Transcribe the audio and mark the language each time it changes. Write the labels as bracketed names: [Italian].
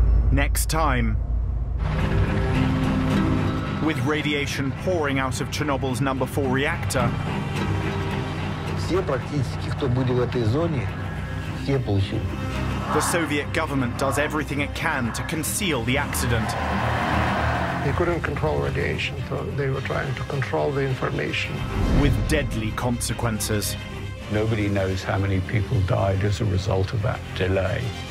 [English] Next time, with radiation pouring out of Chernobyl's number 4 reactor, [Russian] все практически, кто были в этой зоне, все получили. [English] The Soviet government does everything it can to conceal the accident. They couldn't control radiation, so they were trying to control the information. With deadly consequences. Nobody knows how many people died as a result of that delay.